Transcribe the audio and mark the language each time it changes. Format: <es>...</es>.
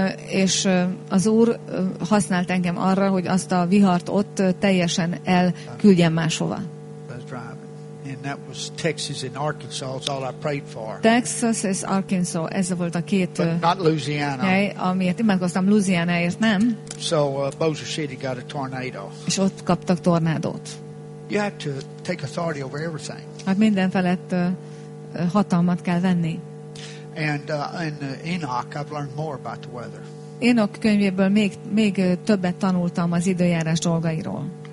<hu>És az Úr használt engem arra, hogy azt a vihart ott teljesen elküldjem máshova.</hu> <en>And that was Texas and Arkansas. That's all I prayed for.</en> <hu>Texas és Arkansas. Ez volt a két.</hu> <en>But not Louisiana.</en> <hu>Hely, amiért imádkoztam Louisianaért, nem.</hu> <en>So Bossier City got a tornado.</en> <hu>És ott kaptak tornádót.</hu> <en>You have to take authority over everything.</en> <hu>Hát minden felett hatalmat kell venni.</hu> <en>And in Enoch, I've learned more about the weather.</en> <hu>Enoch könyvéből még többet tanultam az időjárás dolgairól.</hu>